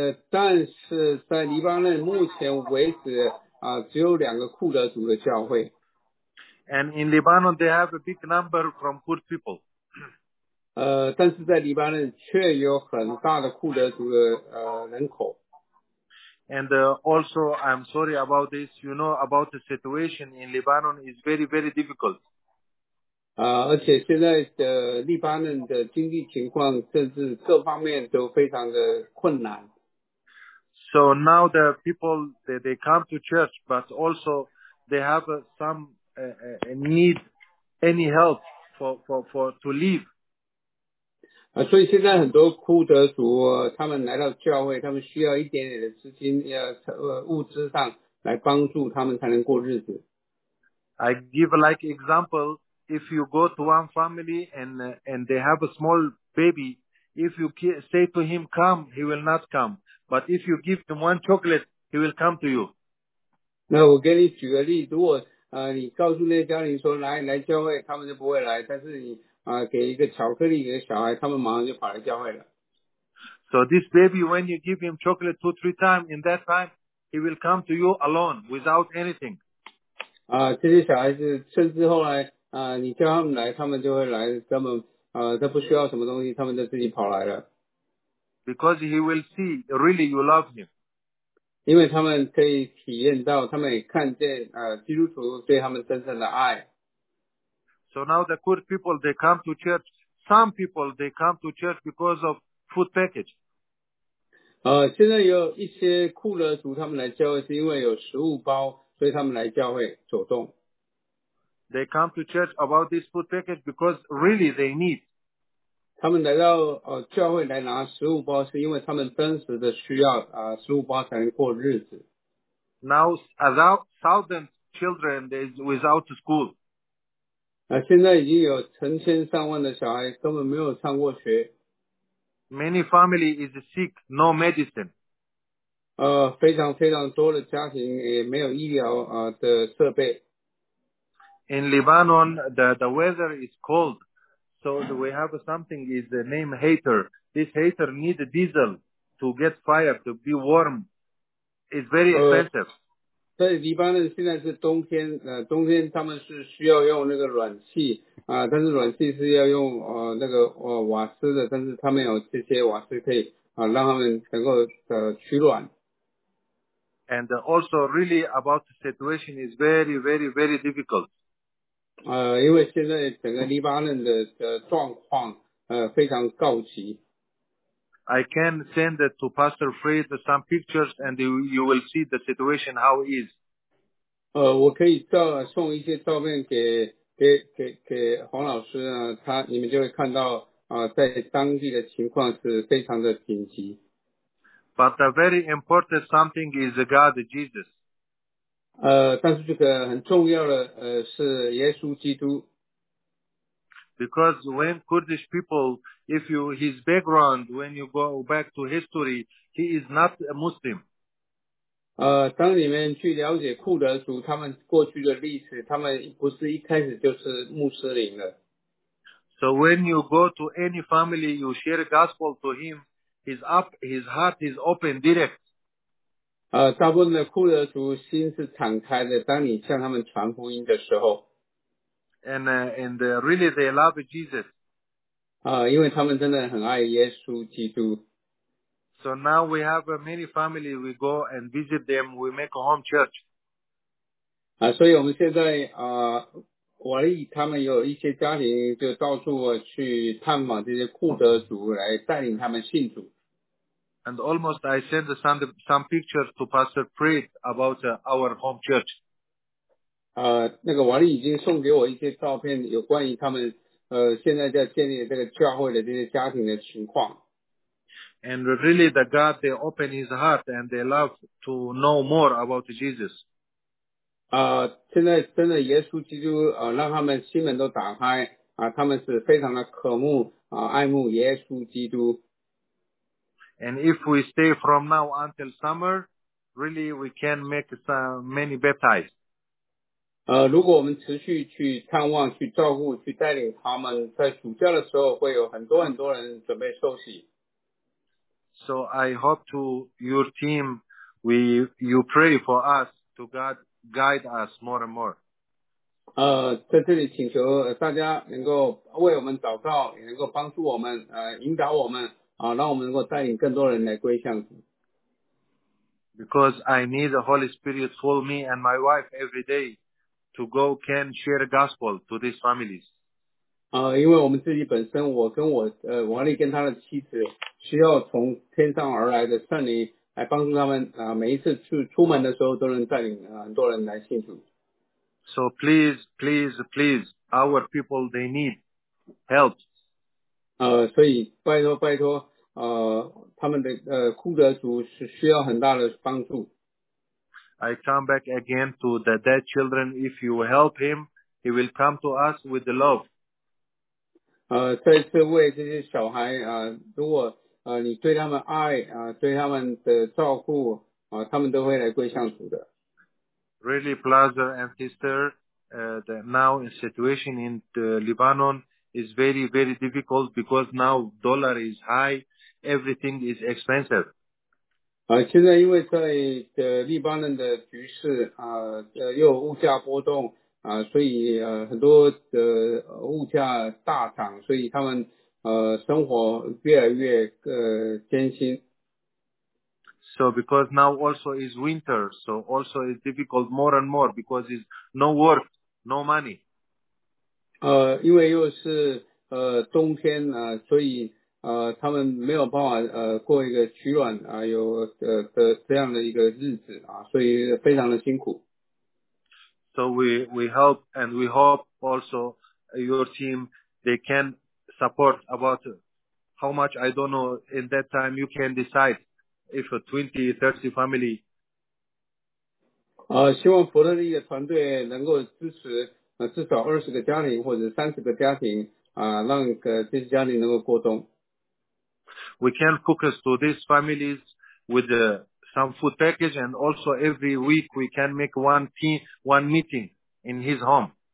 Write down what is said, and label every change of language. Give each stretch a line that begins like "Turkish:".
Chinese: 但是在黎巴嫩目前为止只有两个库德族的教会。
English: And in Lebanon, they have a big number from Kurd people.
Chinese: 但是在黎巴嫩却有很大的库德族的人口。
English: And also, I'm sorry about this. You know about the situation in Lebanon is very, very difficult.
Chinese: 而且现在的黎巴嫩的经济情况，甚至各方面都非常的困难。
English: So now the people they come to church, but also they have some need any help for to leave.
Chinese: 所以现在很多库德族他们来到教会，他们需要一点点的资金，物资上来帮助他们才能过日子。
English: I give like example, if you go to one family and they have a small baby, if you say to him come, he will not come. But if you give him one chocolate, he will come to you.
Chinese: 那我给你举个例，如果你告诉那些家庭说来教会，他们就不会来，但是你给一个巧克力给小孩，他们马上就跑来教会了。
English: So this baby, when you give him chocolate 2-3 times, in that time, he will come to you alone, without anything.
Chinese: 这些小孩子甚至后来你叫他们来，他们就会来，根本他不需要什么东西，他们就自己跑来了。
English: Because he will see really you love him.
Chinese: 因为他们可以体验到，他们也看见基督徒对他们真正的爱。
English: So now the Kurd people, they come to church. Some people, they come to church because of food package.
Chinese: 现在有一些库勒族他们来教会是因为有食物包，所以他们来教会走动。
English: They come to church about this food package because really they need.
Chinese: 他们来到教会来拿食物包是因为他们真实的需要食物包才能过日子。
English: Now about thousand children is without school.
Chinese: 现在已经有成千上万的小孩根本没有上过学。
English: Many family is sick, no medicine.
Chinese: 非常非常多的家庭也没有医疗的设备。
English: In Lebanon, the weather is cold, so we have something is the name heater. This heater needs diesel to get fire to be warm. It's very expensive.
Chinese: 在黎巴嫩现在是冬天，冬天他们是需要用那个暖气但是暖气是要用瓦斯的，但是他们有这些瓦斯可以让他们能够取暖。
English: And also, really about the situation is very, very, very difficult.
Chinese: 因为现在整个黎巴嫩的状况非常告急。
English: I can send it to Pastor Fred some pictures and you will see the situation how it is.
Chinese: 我可以送一些照片给黄老师你们就会看到在当地的情况是非常的紧急。
English: But the very important something is God Jesus.
Chinese: 但是这个很重要的是耶稣基督。
English: Because when Kurdish people, if you, his background, when you go back to history, he is not a Muslim.
Chinese: 当你们去了解库德族他们过去的历史，他们不是一开始就是穆斯林的。
English: So when you go to any family, you share the gospel to him, his heart is open direct.
Chinese: 大部分的库德族心是敞开的，当你向他们传福音的时候。
English: And really they love Jesus.
Chinese: 因为他们真的很爱耶稣基督。
English: So now we have many family, we go and visit them, we make a home church.
Chinese: 所以我们现在瓦利他们有一些家庭就到处去探访这些库德族来带领他们信主。
English: And almost I sent some pictures to Pastor Preet about our home church.
Chinese: 那个瓦利已经送给我一些照片，有关于他们现在在建立这个教会的这些家庭的情况。
English: And really, the God they open his heart and they love to know more about Jesus.
Chinese: 现在真的耶稣基督让他们心门都打开他们是非常的渴慕爱慕耶稣基督。
English: And if we stay from now until summer, really we can make some many baptized.
Chinese: 如果我们持续去探望、去照顾、去带领他们，在暑假的时候会有很多很多人准备受洗。
English: So I hope to your team, you pray for us to God guide us more and more.
Chinese: 在这里请求大家能够为我们祷告，也能够帮助我们，引导我们，让我们能够带领更多人来归向主。
English: Because I need the Holy Spirit for me and my wife every day. To go can share the gospel to these families.
Chinese: 因为我们自己本身，我跟我瓦利跟他的妻子，需要从天上而来的圣灵来帮助他们每一次出门的时候都能带领很多人来信主。
English: So please, please, please, our people they need help.
Chinese: 所以拜托拜托他们的库德族是需要很大的帮助。
English: I come back again to the dead children. If you help him, he will come to us with the love.
Chinese: 再次为这些小孩如果你对他们爱对他们的照顾他们都会来归向主的。
English: Really, brother and sister, the now situation in the Lebanon is very, very difficult because now dollar is high, everything is expensive.
Chinese: 现在因为在黎巴嫩的局势又有物价波动所以很多的物价大涨，所以他们生活越来越艰辛。
English: So because now also is winter, so also is difficult more and more because it's no work, no money.
Chinese: 因为又是冬天所以他们没有办法过一个取暖啊，有这样的一个日子啊，所以非常的辛苦。
English: So we help and we hope also your team they can support about how much I don't know in that time you can decide if a 20-30 family.
Chinese: 希望佛乐利的团队能够支持至少20个家庭或者30个家庭啊，让这些家庭能够过冬。
English: We can focus to these families with some food package and also every week we can make one meeting in his home.